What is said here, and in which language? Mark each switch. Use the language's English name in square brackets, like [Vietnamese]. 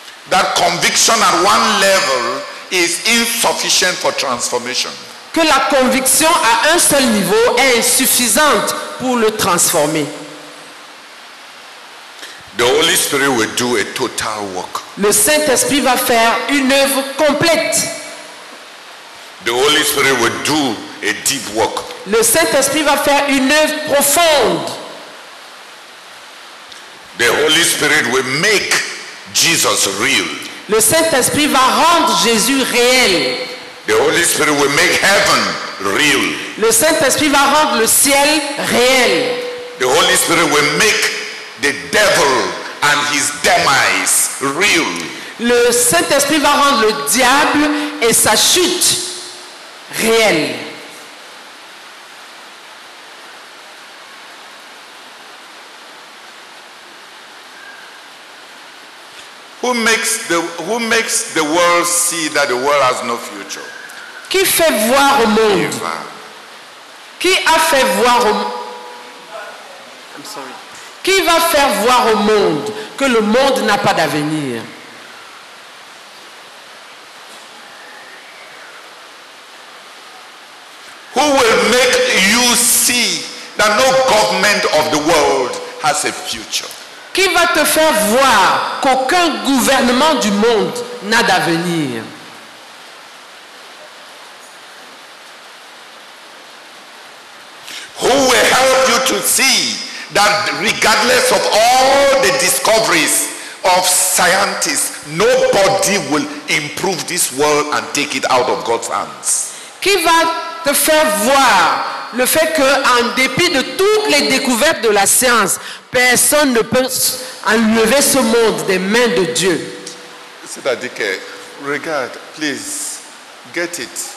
[English] that conviction at one level is insufficient for transformation. [French] Que la conviction à un seul niveau est insuffisante pour le transformer. [English] The Holy Spirit will do a total work. [French] Le Saint-Esprit va faire une œuvre complète. [English] The Holy Spirit will do a deep work. [French] Le Saint-Esprit va faire une œuvre profonde. [English] The Holy Spirit will make Jesus real. [French] Le Saint-Esprit va rendre Jésus réel. [English] The Holy Spirit will make heaven real. [French] Le Saint-Esprit va rendre le ciel réel. [English] The Holy Spirit will make the devil and his demise real. [French] Le Saint-Esprit va rendre le diable et sa chute réel. [English] Who makes the world see that the world has no future? [French] Qui fait voir au monde? Eva. Qui a fait voir au [English] I'm sorry. [French] Qui va faire voir au monde que le monde n'a pas d'avenir? [English] Who will make you see that no government of the world has a future? [French] Qui va te faire voir qu'aucun gouvernement du monde n'a d'avenir? [English] Who will help you to see that regardless of all the discoveries of scientists, nobody will improve this world and take it out of God's hands? [French] Qui va te faire voir le fait que, en dépit de toutes les découvertes de la science, personne ne peut enlever ce monde des mains de Dieu? C'est-à-dire que, regarde, [English] please, get it.